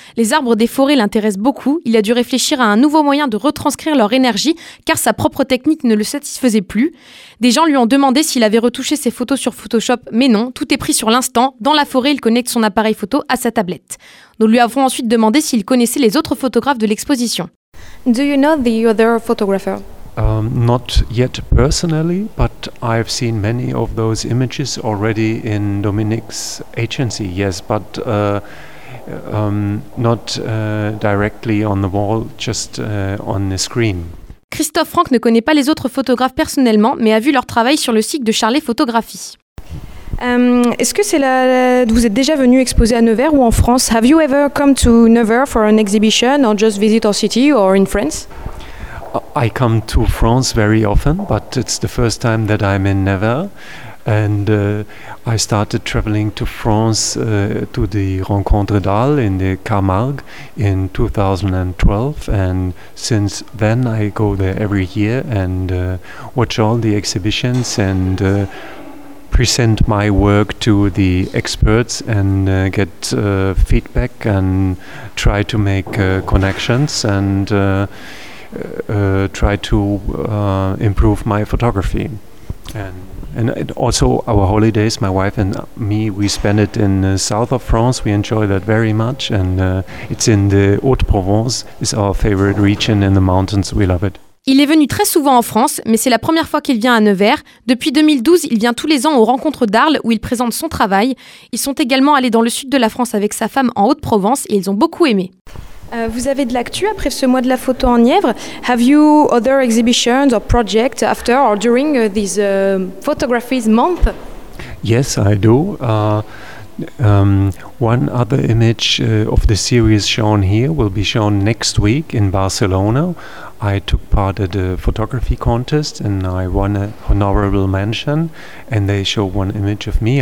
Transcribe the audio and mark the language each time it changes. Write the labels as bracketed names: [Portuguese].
[French] Les arbres des forêts l'intéressent beaucoup, il a dû réfléchir à un nouveau moyen de retranscrire leur énergie car sa propre technique ne le satisfaisait plus. Des gens lui ont demandé s'il avait retouché ses photos sur Photoshop, mais non, tout est pris sur l'instant. Dans la forêt, il connecte son appareil photo à sa tablette. Nous lui avons ensuite demandé s'il connaissait les autres photographes de l'exposition. [English] Do you know the other photographer? Not yet personally, but I've seen many of those images already in Dominique's agency, yes, but not directly on the wall, just on the screen. [French] Christophe Franck ne connaît pas les autres photographes personnellement, mais a vu leur travail sur le site de Charlet Photographie. Est-ce que c'est vous êtes déjà venu exposer à Nevers ou en France? [English] Have you ever come to Nevers for an exhibition or just visit our city or in France? I come to France very often, but it's the first time that I'm in Nevers. And I started traveling to France to the Rencontre d'Arles in the Camargue in 2012. And since then I go there every year and watch all the exhibitions and present my work to the experts and get feedback and try to make connections and try to improve my photography. And also our holidays, my wife and me, we spend it in the south of France. We enjoy that very much. And it's in the Haute-Provence, it's our favorite region in the mountains. We love it. [French] Il est venu très souvent en France, mais c'est la première fois qu'il vient à Nevers. Depuis 2012, il vient tous les ans aux rencontres d'Arles où il présente son travail. Ils sont également allés dans le sud de la France avec sa femme en Haute-Provence et ils ont beaucoup aimé. Vous avez de l'actu après ce mois de la photo en Nièvre. [English] Have you other exhibitions or projects after or during this photographies month? Yes, I do. One other image of the series shown here will be shown next week in Barcelona. I took part at a photography contest and I won an honorable mention and they show one image of me.